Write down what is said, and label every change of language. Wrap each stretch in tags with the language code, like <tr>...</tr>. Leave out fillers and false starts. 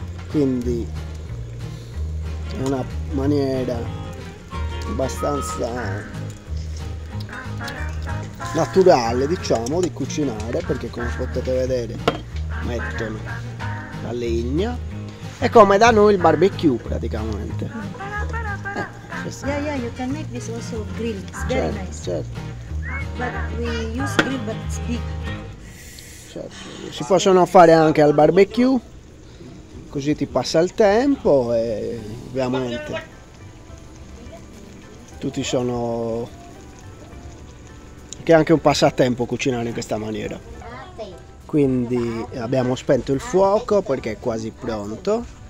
<it>Quindi è una maniera abbastanza naturale, diciamo, di cucinare, perché come potete vedere mettono la legna. È come da noi il barbecue praticamente.</it> <en>You can make this also grill. It's very nice.</en> <it>Certo.</it> <en>But we use grill, but it's big.</en> <it>Si possono fare anche al barbecue, così ti passa il tempo e ovviamente tutti sono. Che è anche un passatempo cucinare in questa maniera. Quindi abbiamo spento il fuoco perché è quasi pronto.</it>